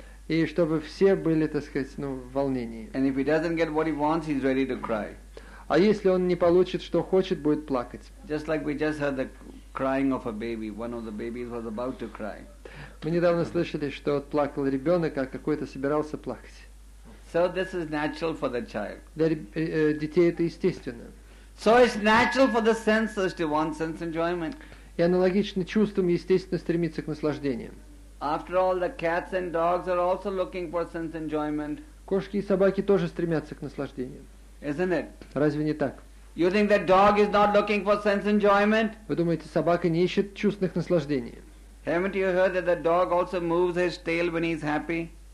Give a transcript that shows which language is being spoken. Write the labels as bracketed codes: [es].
[ru] И чтобы все были, так сказать, в волнении. [en] And if he doesn't get what he wants, he's ready to cry. [ru] А если он не получит, что хочет, будет плакать. [en] Just like we just heard the crying of a baby. One of the babies was about to cry. [ru] Мы недавно слышали, что плакал ребенок, а какой-то собирался плакать. [en] So this is natural for the child. [ru] Для детей это естественно. [en] So it's natural for the senses to want sense enjoyment. [ru] И аналогично чувствам естественно стремиться к наслаждениям. [en] After all, the cats and dogs are also looking for sense enjoyment. [ru] Кошки и собаки тоже стремятся к наслаждениям. [en] Isn't it? [ru] Разве не так? [en] You think that dog is not looking for sense enjoyment? [ru] Вы думаете, собака не ищет чувственных наслаждений? [en] Haven't you heard that the dog also moves his tail when he's happy?